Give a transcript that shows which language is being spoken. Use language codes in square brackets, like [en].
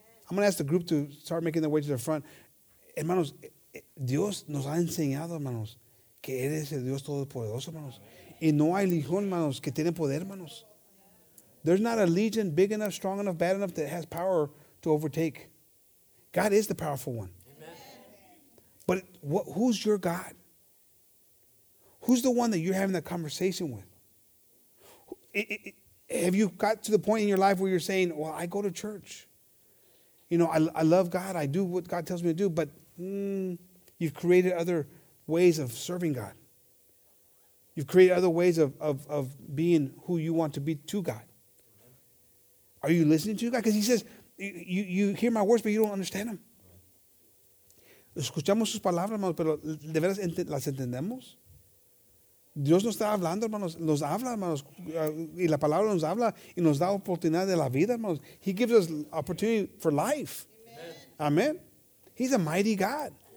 [en] I'm going to ask the group to start making their way to the front. [es] Hermanos, Dios nos ha enseñado, hermanos, que eres el Dios todopoderoso, hermanos. Y no hay legión, hermanos, que tiene poder, hermanos. [en] There's not a legion big enough, strong enough, bad enough that has power to overtake. God is the powerful one. Amen. But who's your God? Who's the one that you're having that conversation with? Have you got to the point in your life where you're saying, well, I go to church. You know, I love God. I do what God tells me to do. But you've created other ways of serving God. You've created other ways of being who you want to be to God. Are you listening to God? Because he says, you hear my words, but you don't understand them. [es] Escuchamos sus palabras, hermanos, pero ¿de veras las entendemos? Dios nos está hablando, hermanos. Nos habla, hermanos. Y la palabra nos habla y nos da oportunidad de la vida, hermanos. [en] He gives us opportunity for life. Amen. He's a mighty God.